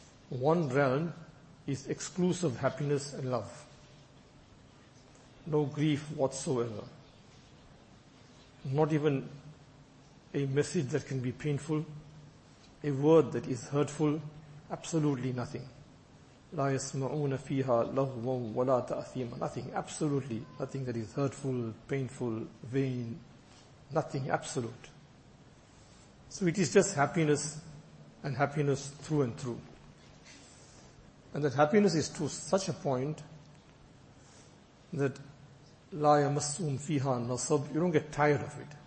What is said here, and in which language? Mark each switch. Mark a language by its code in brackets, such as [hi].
[en] One realm is exclusive happiness and love. No grief whatsoever. Not even a message that can be painful, a word that is hurtful, absolutely nothing. [ar] لا يسمعون فيها لغوا ولا تأثيما. [en] Nothing, absolutely nothing that is hurtful, painful, vain. Nothing, absolute. So it is just happiness, and happiness through and through. And that happiness is to such a point that [ar] لا يمسون فيها نصب. [en] You don't get tired of it.